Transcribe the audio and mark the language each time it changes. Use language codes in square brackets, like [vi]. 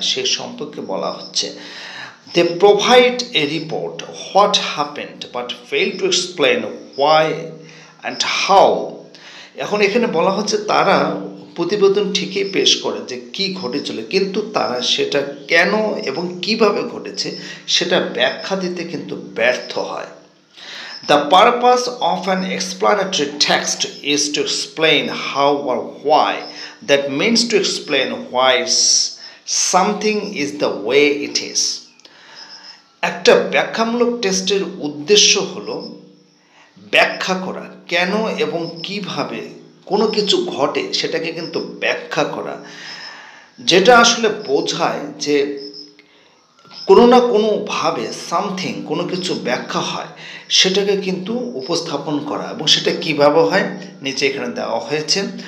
[bn] সে সম্পর্কে বলা হচ্ছে [en] They provide a report what happened but fail to explain why and how. [bn] এখন এখানে বলা হচ্ছে তারা প্রতিবেদন ঠিকই পেশ করে যে কী ঘটেছিল, কিন্তু তারা সেটা কেন এবং কীভাবে ঘটেছে সেটা ব্যাখ্যা দিতে কিন্তু ব্যর্থ হয়। [en] The purpose of an explanatory text is to explain how or why. That means to explain why something is the way it is. [bn] একটা ব্যাখ্যামূলক টেস্টের উদ্দেশ্য হলো ব্যাখ্যা করা, কেন এবং কীভাবে কোনো কিছু ঘটে সেটাকে কিন্তু ব্যাখ্যা করা, যেটা আসলে বোঝায় যে কোনো না কোনোভাবে সামথিং কোনো কিছু ব্যাখ্যা হয় সেটাকে কিন্তু উপস্থাপন করা, এবং সেটা কীভাবে হয় নিচে এখানে দেওয়া হয়েছে।